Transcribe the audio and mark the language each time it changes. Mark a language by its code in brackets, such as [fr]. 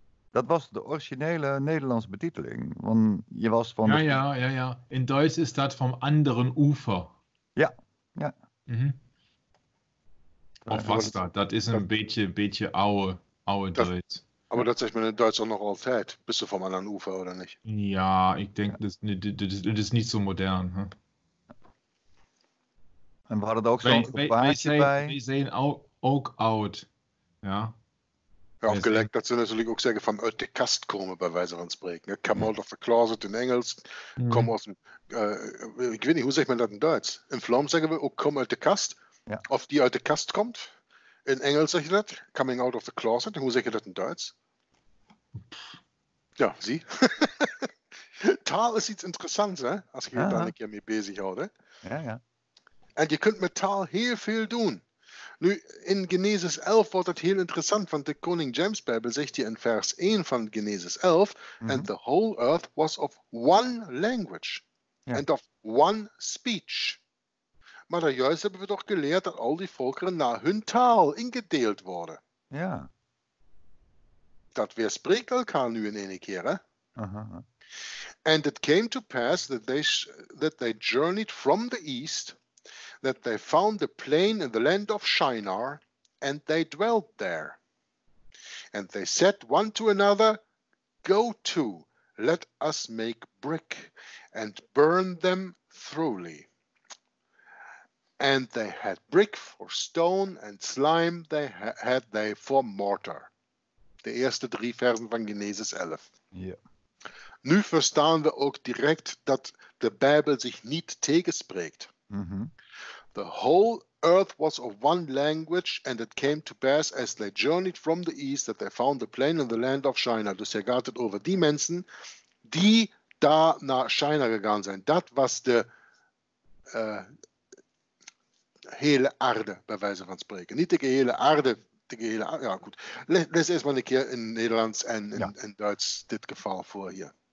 [nl] Dat was de originele Nederlandse betiteling. Want je was van Ja. In Duits is dat van anderen oever. Ja, ja. Mm-hmm. Of was dat? Dat is een beetje oude Duits. [de] Aber das sagt man in Deutschland noch [nl] altijd. [de] Bist du vom anderen Ufer oder nicht? Ja, ich denke, das ist nicht so modern. Hm? [nl] En we hadden er ook zo'n gebaartje bij. Wij zijn ook oud. Ja. Ja, of gelijk dat ze natuurlijk ook zeggen van uit de kast komen, bij wijze van spreken. [en] Come out of the closet [nl] in Engels. Mm. Kom aus een. Ik weet niet, hoe zegt men dat in Duits? In Vlaams zeggen we ook kom uit de kast. Ja. Of die uit de kast komt. In Engels zeg je dat. [en] Coming out of the closet. [nl] Hoe zeg je dat in Duits? Ja, zie. Taal is iets interessants, hè? Als je je daar een keer mee bezighoudt. Hè? Ja. En je kunt met taal heel veel doen. Nu, in Genesis 11 wordt het heel interessant, want de Koning James Bijbel zegt hier in vers 1 van Genesis 11, mm-hmm. [en] And the whole earth was of one language, yeah. And of one speech. [nl] Maar daar juist hebben we toch geleerd dat al die volkeren naar hun taal ingedeeld worden. Ja. Yeah. Dat weer spreekt elkaar nu in een keer, hè? Uh-huh. [en] And it came to pass that they journeyed from the east, that they found a plain in the land of Shinar, and they dwelt there. And they said one to another, go to, let us make brick, and burn them thoroughly. And they had brick for stone and slime they had they for mortar. [nl] De eerste drie versen van Genesis 11. Yeah. Nu verstaan we ook direct dat de Bijbel zich niet tegenspreekt. Mm-hmm. [en] The whole earth was of one language and it came to pass as they journeyed from the east that they found the plain in the land of Shinar. [nl] Dus hij gaat het over die mensen die daar naar Shinar gegaan zijn. Dat was de hele aarde, bij wijze van spreken. Niet de gehele aarde. De gehele aarde. Ja, goed. Lees eerst maar een keer in Nederlands en in, ja, in Duits dit geval voor je.